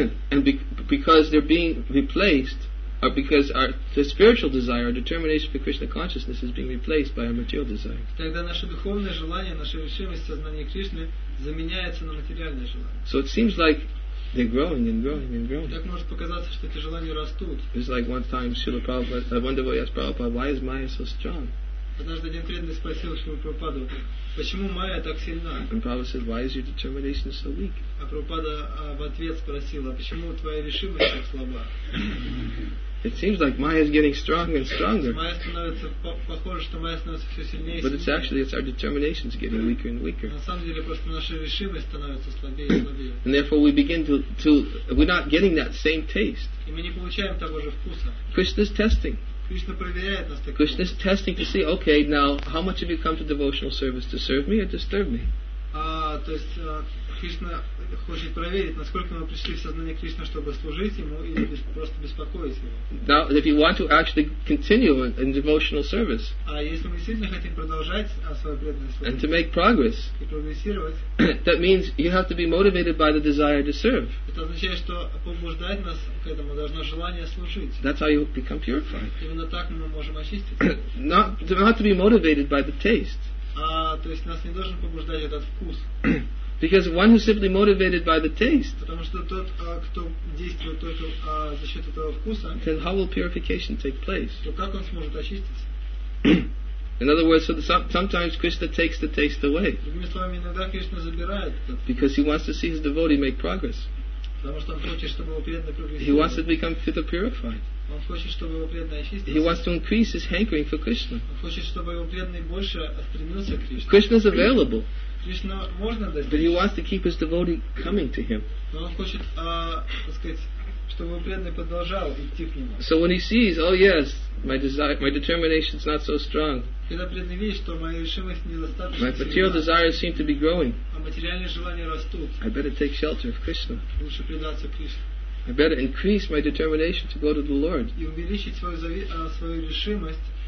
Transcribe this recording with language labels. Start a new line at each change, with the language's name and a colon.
English: And because they're being replaced, or because the spiritual desire, our determination for Krishna consciousness, is being replaced by our material desire.
Russian: Тогда наше духовное желание, наша решимость сознания Кришны заменяется на материальное желание.
English: So it seems like they're growing and growing and growing.
Russian: Так может показаться, что эти желания растут.
English: It's like one time Srila Prabhupada, I wonder why he asked Prabhupada, why is Maya so strong?
Russian: Однажды один преданный спросил Шрилу Прабхупаду, почему Майя так сильна?
English: And Prabhupada said, why is your determination so weak?
Russian: А Прабхупада в ответ спросил, а почему твоя решимость так слаба?
English: It seems like Maya is getting stronger and stronger.
Russian: Майя становится похоже, что Майя становится все сильнее и сильнее.
English: But it's our determination is getting weaker and weaker.
Russian: На самом деле просто наша решимость становится слабее и слабее.
English: And therefore we begin to we're not getting that same taste.
Russian: И мы не получаем того же вкуса.
English: Krishna's testing.
Russian: Кришна проверяет нас таким.
English: Krishna is testing to see, okay, now how much have you come to devotional service to serve me or disturb me?
Russian: То есть Кришна хочет проверить, насколько мы пришли в сознание Кришны, чтобы служить ему или просто беспокоить его.
English: Now, if you want to actually continue in devotional service.
Russian: Если мы действительно хотим продолжать свою преданность служить.
English: And to make progress.
Russian: И прогрессировать.
English: That means you have to be motivated by the desire to serve.
Russian: Это означает, что побуждает нас к этому должно желание служить.
English: That's how you become purified.
Russian: Именно так мы можем очиститься.
English: Not to be motivated by the taste.
Russian: То есть нас не должен побуждать этот вкус.
English: Because one who's simply motivated by the taste.
Russian: Потому что тот, кто действует только за счет этого вкуса.
English: Then how will purification take place?
Russian: То как он сможет очиститься?
English: In other words, sometimes Krishna takes the taste away.
Russian: Другими словами, иногда Кришна забирает.
English: Because he wants to see his devotee make progress.
Russian: Потому что он хочет, чтобы его преданный прогрессировал.
English: He wants to become fit and purified.
Russian: Он хочет, чтобы его преданный очистился.
English: He wants to increase his hankering for Krishna.
Russian: Он хочет, чтобы его преданный больше стремился к Кришне.
English: Krishna is available.
Russian: Кришна можно достичь.
English: But he wants to keep his devotee coming to him.
Russian: Но он хочет, так сказать, чтобы его преданный продолжал идти к нему.
English: So when he sees, oh yes, my determination is not so strong.
Russian: Когда преданный видит, что моя решимость недостаточно.
English: My material desires seem to be growing.
Russian: А материальные желания растут.
English: I better take shelter of Krishna.
Russian: Лучше предаться Кришне.
English: I better increase my determination to go to the Lord.
Russian: И увеличить свою решимость